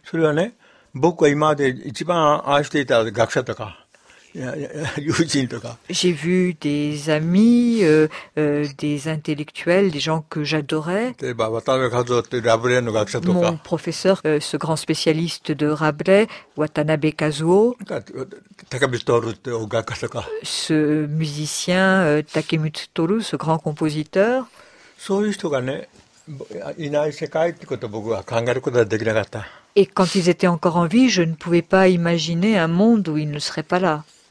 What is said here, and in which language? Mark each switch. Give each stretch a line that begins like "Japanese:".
Japanese: それはね、僕は今まで一番愛していた学者とか、友人とか。
French: J'ai vu des amis, des intellectuels, des gens que j'adorais.
Japanese: 例えば、渡辺和夫ってラブレーの学者とか。
French: Mon professeur, ce grand spécialiste de Rabelais, Watanabe Kazuo.
Japanese: 高見徹って音楽家とか。
French: Ce musicien, Takemitsu Toru, ce grand compositeur.
Japanese: そういう人がね、いない世界ってことを僕は考えることができなかった。
French: Et quand ils étaient encore en vie, je ne pouvais pas imaginer un monde où ils ne seraient pas là.